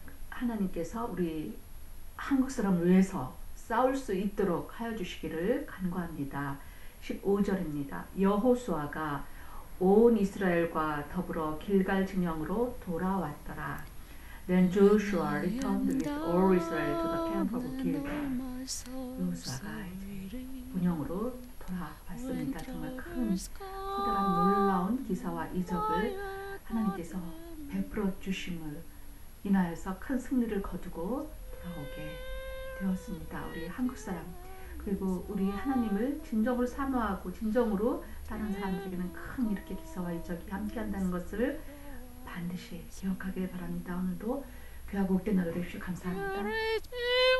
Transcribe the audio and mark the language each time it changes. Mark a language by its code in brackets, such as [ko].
[ko] 하나님께서 우리 한국 사람을 위해서 싸울 수 있도록 하여 주시기를 간구합니다. 15절입니다. 여호수아가 온 이스라엘과 더불어 길갈 진영으로 돌아왔더라. [en] Then Joshua returned with all Israel to the camp of Gilgal. [ko] 여호수아가 이제 군영으로 돌아왔습니다. 정말 큰 커다란 놀라운 기사와 이적을 하나님께서 베풀어 주심을 인하여서 큰 승리를 거두고 돌아오게 되었습니다. 우리 한국 사람 그리고 우리 하나님을 진정으로 사모하고 진정으로 다른 사람들에게는 큰 이렇게 기사와 이적이 함께한다는 것을 반드시 기억하길 바랍니다. 오늘도 귀하고 복된 하루 되십시오. 감사합니다.